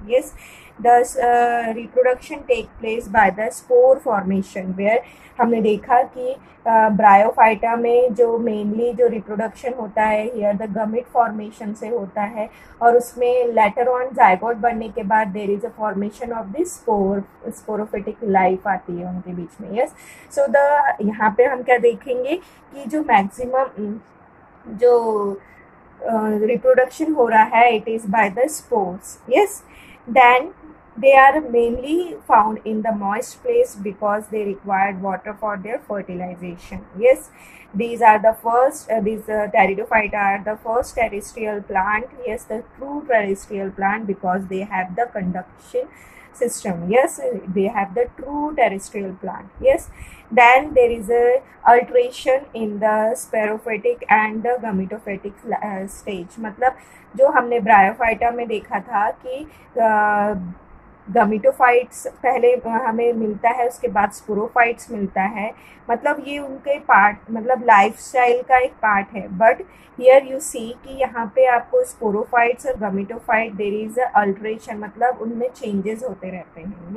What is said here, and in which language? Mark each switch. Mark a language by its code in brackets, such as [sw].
[en] yes the reproduction take place by the spore formation where [hi] हमने देखा कि bryophyta में जो मेनली जो रिप्रोडक्शन होता है [en] here the gamete formation [hi] से होता है और उसमें [en] later on zygote बनने के बाद there is a formation of the sporophytic life [hi] आती है उनके बीच में. यस सो द यहाँ पे हम क्या देखेंगे कि जो मैक्सिमम जो रिप्रोडक्शन हो रहा है [en] It is by the spores. Yes then they are mainly found in the moist place because they required water for their fertilization. Yes, these are the first pteridophyta are the first terrestrial plant. Yes, the true terrestrial plant because they have the conduction system. Yes, they have the true terrestrial plant. Yes, then there is a alteration in the sporophytic and the gametophytic stage. [hi] मतलब जो हमने bryophyta में देखा था कि गमिटोफाइट्स पहले हमें मिलता है उसके बाद स्पोरोफाइट्स मिलता है मतलब ये उनके पार्ट मतलब लाइफस्टाइल का एक पार्ट है. [en] but here you see [hi] कि यहाँ पे आपको स्पोरोफाइट्स और गमिटोफाइट [en] there is a alternation [hi] मतलब उनमें चेंजेस होते रहते हैं.